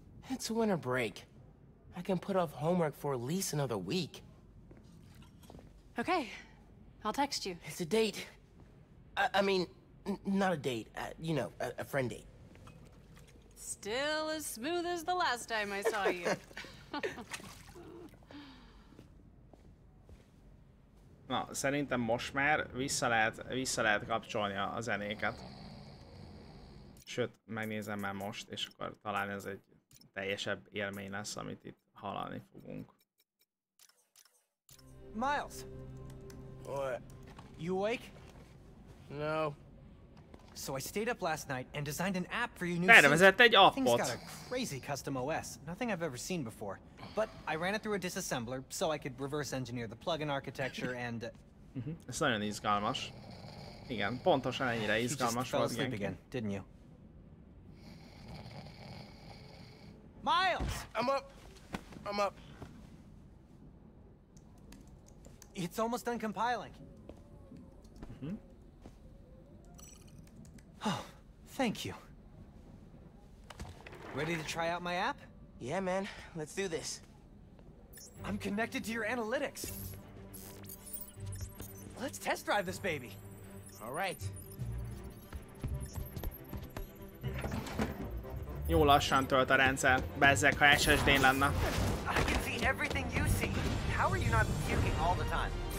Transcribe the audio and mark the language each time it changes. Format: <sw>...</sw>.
<en>It's winter break. I can put off homework for at least another week. Okay, I'll text you. It's a date. I mean... Not a date, you know, a friend date. Still as smooth as the last time I saw you.</en> <hu>Na, szerintem most már vissza lehet kapcsolni a zenéket. Sőt, megnézem már most, és akkor talán ez egy teljesebb élmény lesz, amit itt hallani fogunk.</hu> <en>Miles! What? You awake? No. So I stayed up last night and designed an app for your new</en> <hu>Tervezett egy appot.</hu> <en>Things got a crazy custom OS, nothing I've ever seen before. But I ran it through a disassembler so I could reverse engineer the plugin architecture and...</en> <hu>Ez nagyon izgalmas. Igen, pontosan ennyire izgalmas volt.</hu> <en>You just fell asleep again, didn't you? Miles! I'm up. It's almost done compiling. Oh, thank you. Ready to try out my app? Yeah, man. Let's do this. I'm connected to your analytics. Let's test drive this baby. All right.</en> <hu>Jó lassan tölt a rendszer. Bezzeg, ha SSD-n lenne.</hu> <en>I can see everything you see. How are you not puking all the time?</en>